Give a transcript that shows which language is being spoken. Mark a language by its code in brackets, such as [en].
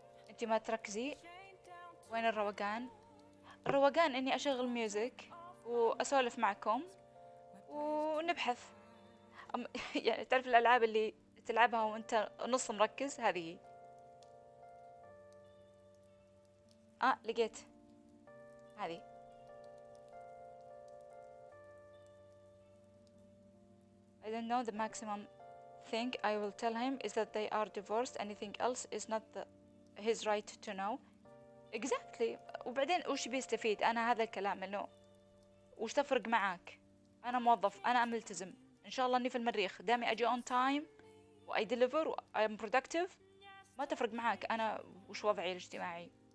[ar] أنت ما تركزي، وين الروقان؟ الروقان اني اشغل ميوزك واسولف معكم ونبحث. يعني تعرف الالعاب اللي تلعبها وانت نص مركز، هذه. لقيت هذه، [en] I don't know the maximum thing I will tell him is that they are divorced, anything else is not his right to know. Exactly. [ar] وبعدين وش بيستفيد انا هذا الكلام، انه وش تفرق معاك، انا موظف انا ملتزم، ان شاء الله اني في المريخ دامي اجي اون تايم واي ديليفر واي ام برودكتيف، ما تفرق معاك انا وش وضعي الاجتماعي.